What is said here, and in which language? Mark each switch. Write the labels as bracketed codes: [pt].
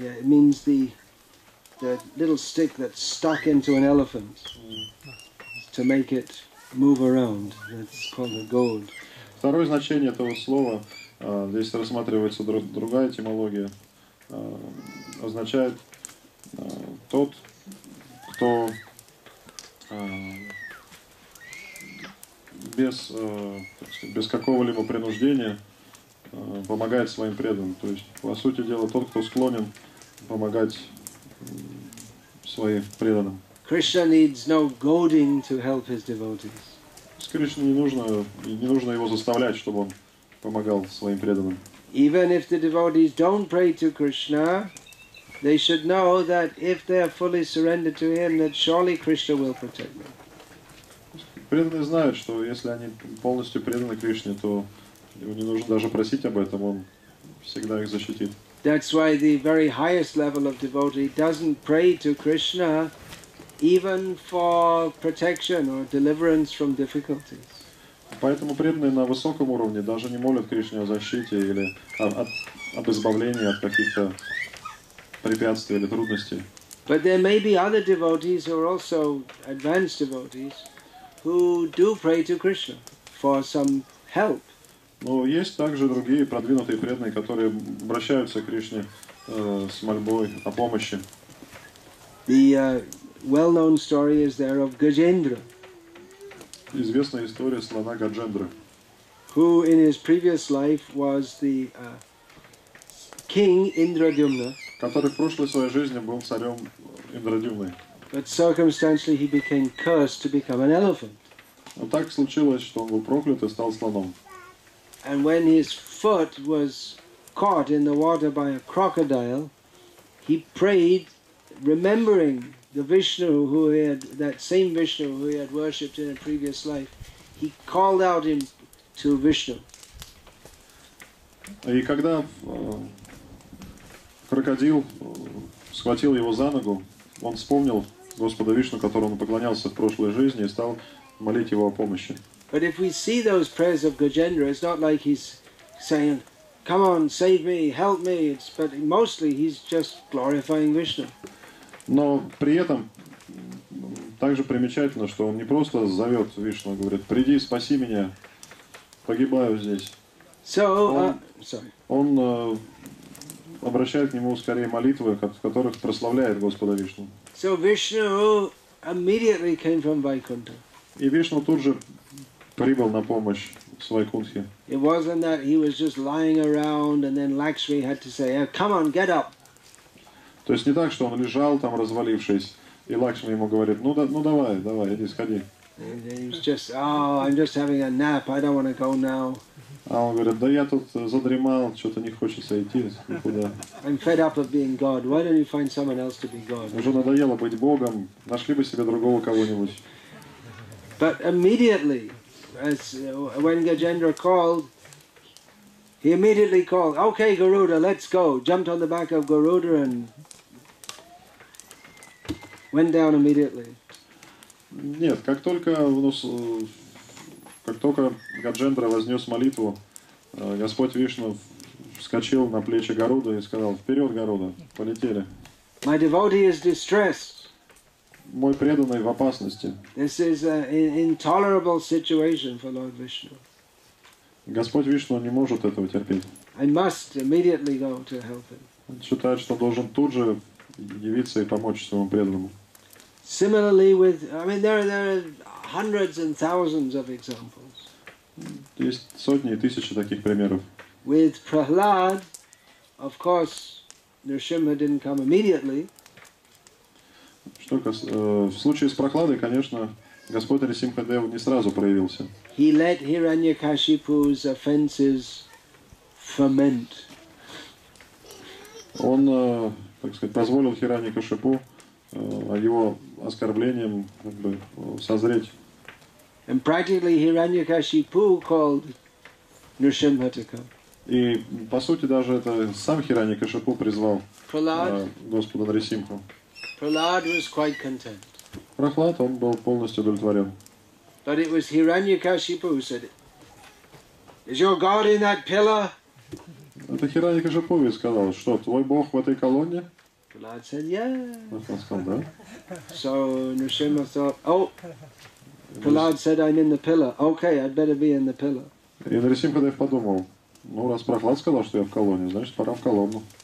[en] Yeah, it means the little stick that's stuck into an elephant to make it move around. That's called a goad. [ru] Второе значение этого слова, здесь рассматривается другая этимология, означает тот, кто без какого-либо принуждения помогает своим преданным. То есть, по сути дела, тот, кто склонен помогать своим преданным. [en] Krishna needs no goading to help his devotees. [ru] С Кришной не нужно его заставлять, чтобы он помогал своим преданным. [en] Even if the devotees don't pray to Krishna, they should know that if they are fully surrendered to him, that surely Krishna will protect them. [ru] Преданные знают, что если они полностью преданы Кришне, то ему не нужно даже просить об этом, он всегда их защитит. [en] That's why the very highest level of devotee doesn't pray to Krishna even for protection or deliverance from difficulties. [ru] Поэтому преданные на высоком уровне даже не молят Кришне о защите или об избавлении от каких-то препятствий или трудностей. [en] But there may be other devotees who are also advanced devotees who do pray to Krishna for some help. [ru] Но есть также другие продвинутые преданные, которые обращаются к Кришне с мольбой о помощи. [en] The well-known story is there of Gajendra. [ru] Известная история слона Гаджендры. [en] Who in his previous life was the king Indradyumna. [ru] Который в прошлой своей жизни был царем Индрадюмны. [en] But circumstantially he became cursed to become an elephant. [ru] Но так случилось, что он был проклят и стал слоном. [en] And when his foot was caught in the water by a crocodile, he prayed, remembering the Vishnu who he had, that same Vishnu who he had worshipped in a previous life, he called out him to Vishnu. [ru] И когда крокодил схватил его за ногу, он вспомнил Господа Вишну, которому он поклонялся в прошлой жизни, и стал молить его о помощи. [en] But if we see those prayers of Gajendra, it's not like he's saying, come on, save me, help me. But mostly he's just glorifying Vishnu. [ru] Но при этом также примечательно, что он не просто зовет Вишну, говорит, приди, спаси меня, погибаю здесь. [en] So, [ru] он обращает к нему скорее молитвы, в которых прославляет Господа Вишну. [en] So Vishnu immediately came from Vaikuntha. [ru] И Вишну тут же прибыл на помощь с Вайкунтхи. [en] It wasn't that he was just lying around and then Lakshmi had to say, come on, get up. [ru] То есть не так, что он лежал там, развалившись, и Лакшми ему говорит, давай, иди, сходи. [en] And he was just, I'm just having a nap, I don't want to go now. [ru] А он говорит, я тут задремал, что-то не хочется идти никуда. [en] I'm fed up of being God, why don't you find someone else to be God? [ru] Уже надоело быть Богом, нашли бы себе другого кого-нибудь. [en] But immediately, when Gajendra called, He immediately called, "Okay, Garuda, let's go." Jumped on the back of Garuda and went down immediately. [ru] Нет, как только Гаджендра вознес молитву, Господь Вишну вскочил на плечи Гаруды и сказал: "Вперед, Гаруда, полетели." [en] My devotee is distressed. [ru] Мой преданный в опасности. [en] This is an intolerable situation for Lord Vishnu. [ru] Господь Вишну не может этого терпеть. [en] I must immediately go to help him. [ru] Он считает, что должен тут же явиться и помочь своему преданному. [en] Similarly with, I mean, there are hundreds and thousands of examples. [ru] Есть сотни и тысячи таких примеров. [en] With Prahlad, of course, Нарсимха didn't come immediately. [ru] Что в случае с Прохладой, конечно, Господь Нарсимхадев не сразу проявился. [en] He let Hiranyakashipu's offenses ferment. [ru] Он, так сказать, позволил Хираньякашипу его оскорблением как бы созреть. [en] And practically Hiranyakashipu called Нарсимха to come. [ru] И по сути даже это сам Хираньякашипу призвал Господа Нарсимху. [en] Prahlad was quite content. [ru] Прохлад, он был полностью удовлетворен. [en] But it was Hiranyakashipu who said, "Is your God in that pillar?" [ru] Это Хираньякашипу сказал, что твой Бог в этой колонне? [en] Prahlad said, "Yeah." [ru] Он сказал, да. [en] So Nrsimha thought, "Oh, Prahlad said I'm in the pillar. Okay, I'd better be in the pillar." [ru] И Нрсимхадев подумал, ну раз Прохлад сказал, что я в колонне, значит пора в колонну.